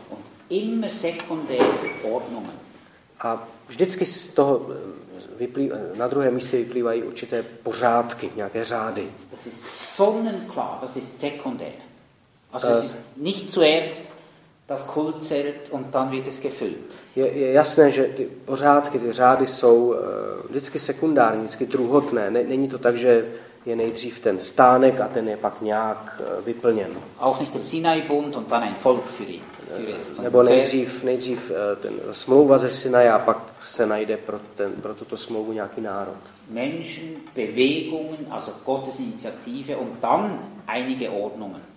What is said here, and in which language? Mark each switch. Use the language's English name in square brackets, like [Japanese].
[German] Und immer sekundäre Ordnungen. [Czech] A vždycky z toho na druhé místě vyplývají určité pořádky, nějaké řády. [German] Das ist sonnenklar, das ist sekundär. Also es ist nicht zuerst das Kultzelt und dann wird es gefüllt. [Czech] Je jasné, že ty pořádky, ty řády jsou vždycky sekundární, vždycky druhotné. Není to tak, že je nejdřív ten stánek a ten je pak nějak vyplněn. [German] Auch nicht der Sinai-Bund und dann ein Volk für ihn. [Czech] Nebo nejdřív ten smlouva ze Sinai a pak se najde pro tuto smlouvu nějaký národ. [German] Menschen, Bewegungen, also Gottes Initiative und dann einige Ordnungen.